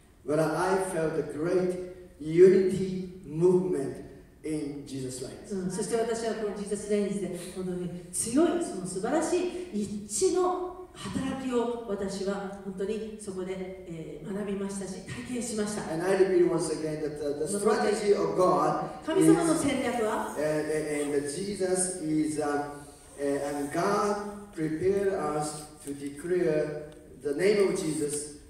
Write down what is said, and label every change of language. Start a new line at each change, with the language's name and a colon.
English: But I felt a great unity movement in Jesus Reigns.
Japanese: そして私はこの Jesus Reigns で本当に強いその素晴らしい一致の働きを私は本当にそこで学びましたし体験しました。
English: And I repeat once again that the strategy of God
Japanese: is 神様の戦略は
English: and Jesus is and God prepared us to declare the name of Jesus